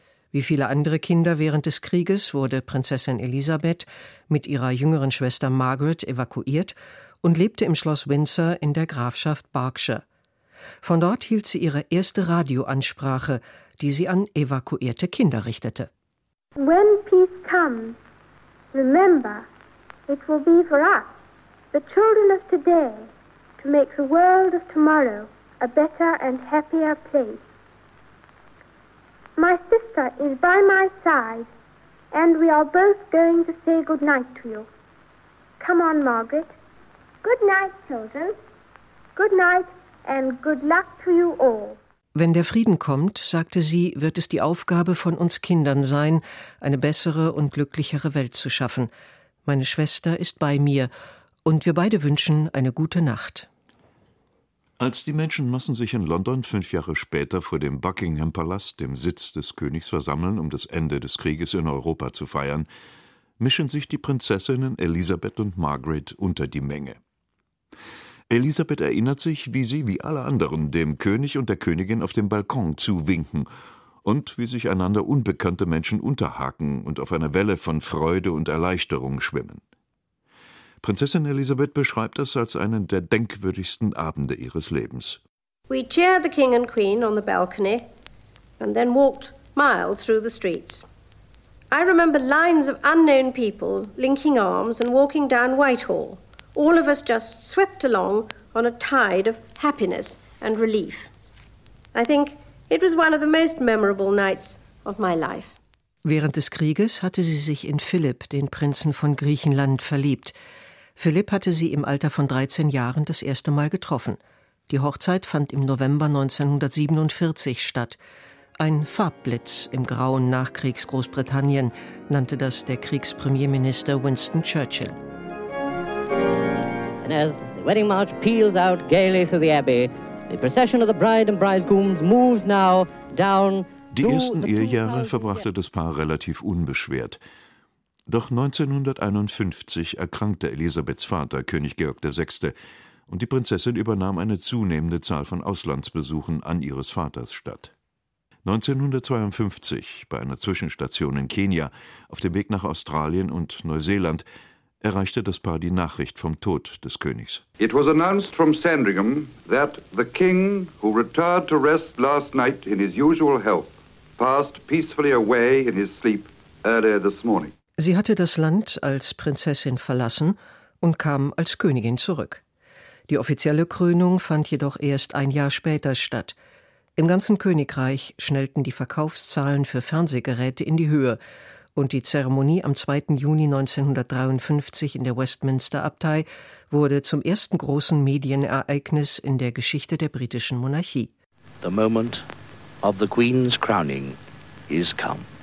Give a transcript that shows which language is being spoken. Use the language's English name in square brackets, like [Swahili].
[German] Wie viele andere Kinder während des Krieges wurde Prinzessin Elisabeth mit ihrer jüngeren Schwester Margaret evakuiert und lebte im Schloss Windsor in der Grafschaft Berkshire. Von dort hielt sie ihre erste Radioansprache, die sie an evakuierte Kinder richtete. [English] When peace comes, remember, it will be for us, the children of today, to make the world of tomorrow a better and happier place. My sister is by my side, and we are both going to say good night to you. Come on, Margaret. Good night, children. Good night and good luck to you all. [German] Wenn der Frieden kommt, sagte sie, wird es die Aufgabe von uns Kindern sein, eine bessere und glücklichere Welt zu schaffen. Meine Schwester ist bei mir, und wir beide wünschen eine gute Nacht. Als die Menschenmassen sich in London 5 Jahre später vor dem Buckingham Palace, dem Sitz des Königs, versammeln, um das Ende des Krieges in Europa zu feiern, mischen sich die Prinzessinnen Elisabeth und Margaret unter die Menge. Elisabeth erinnert sich, wie sie, wie alle anderen, dem König und der Königin auf dem Balkon zuwinken und wie sich einander unbekannte Menschen unterhaken und auf einer Welle von Freude und Erleichterung schwimmen. Prinzessin Elisabeth beschreibt das als einen der denkwürdigsten Abende ihres Lebens. [English] We cheered the King and Queen on the balcony and then walked miles through the streets. I remember lines of unknown people linking arms and walking down Whitehall. All of us just swept along on a tide of happiness and relief. I think it was one of the most memorable nights of my life. [German] Während des Krieges hatte sie sich in Philipp, den Prinzen von Griechenland, verliebt. Philipp hatte sie im Alter von 13 Jahren das erste Mal getroffen. Die Hochzeit fand im November 1947 statt. Ein Farbblitz im grauen Nachkriegs-Großbritannien, nannte das der Kriegspremierminister Winston Churchill. [English] And as the wedding march peals out gaily through the abbey, the procession of the bride and bridegrooms moves now down. [German] Die ersten Ehejahre verbrachte das Paar relativ unbeschwert. Doch 1951 erkrankte Elisabeths Vater, König Georg VI., und die Prinzessin übernahm eine zunehmende Zahl von Auslandsbesuchen an ihres Vaters statt. 1952, bei einer Zwischenstation in Kenia, auf dem Weg nach Australien und Neuseeland, erreichte das Paar die Nachricht vom Tod des Königs. [English] It was announced from Sandringham that the king, who retired to rest last night in his usual health, passed peacefully away in his sleep earlier this morning. [German] Sie hatte das Land als Prinzessin verlassen und kam als Königin zurück. Die offizielle Krönung fand jedoch erst ein Jahr später statt. Im ganzen Königreich schnellten die Verkaufszahlen für Fernsehgeräte in die Höhe und die Zeremonie am 2. Juni 1953 in der Westminster-Abtei wurde zum ersten großen Medienereignis in der Geschichte der britischen Monarchie. [English] The moment of the Queen's crowning is come.